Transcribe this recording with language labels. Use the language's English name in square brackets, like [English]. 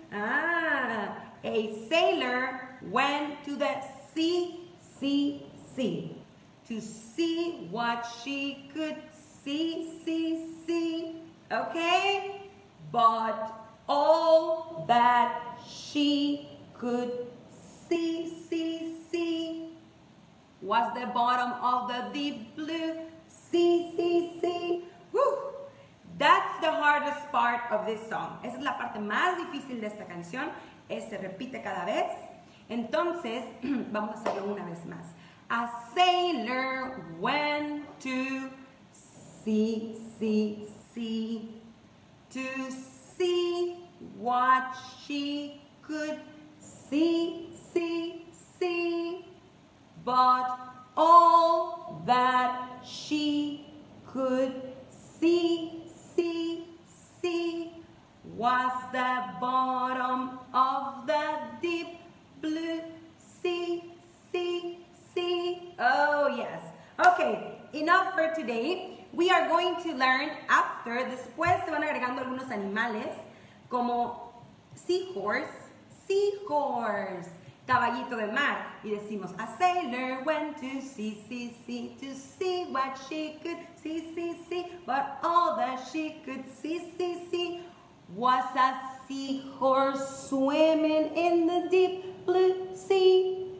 [English] Ah, a sailor went to the sea, sea, sea, to see what she could see, see, see. Okay? But all that she could see, see, see, was the bottom of the deep blue, sea, sea, sea. Woo! That's the hardest part of this song. [Spanish] Esa es la parte más difícil de esta canción. Se repite cada vez. Entonces, vamos a hacerlo una vez más. [English] A sailor went to sea, sea, sea, to see what she could see, see, see. But all that she could see, see, see, was the bottom of the deep blue sea, sea, sea. Oh, yes. Okay, enough for today. We are going to learn after. [Spanish] Después se van agregando algunos animales como seahorse, seahorse, caballito de mar. Y decimos, [English] a sailor went to sea, sea, sea, to see what she could see, see, see, but all that she could see, see, see, was a seahorse swimming in the deep blue sea.